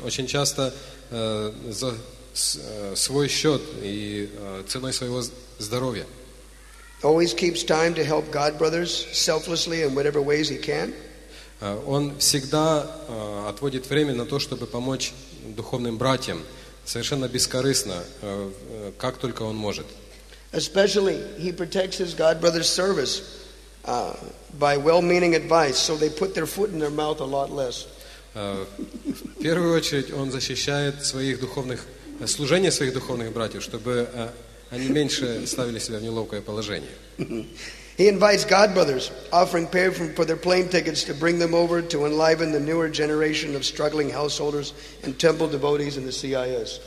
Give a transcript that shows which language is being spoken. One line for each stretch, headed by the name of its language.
Russian: Очень часто за свой счет и ценой своего здоровья.
English: Always keeps time to help God brothers selflessly in whatever ways he can.
Russian: Он всегда отводит время на то, чтобы помочь духовным братьям совершенно бескорыстно, как только он может.
English: Especially he protects his God brothers' service by well-meaning advice, so they put their foot in their mouth a lot less.
Russian: В первую очередь он защищает своих духовных служение своих духовных братьев, чтобы они меньше ставили себя в неловкое положение.
English: He invites God brothers, offering pay for their plane tickets to bring them over to enliven the newer generation of struggling householders and temple devotees in the CIS.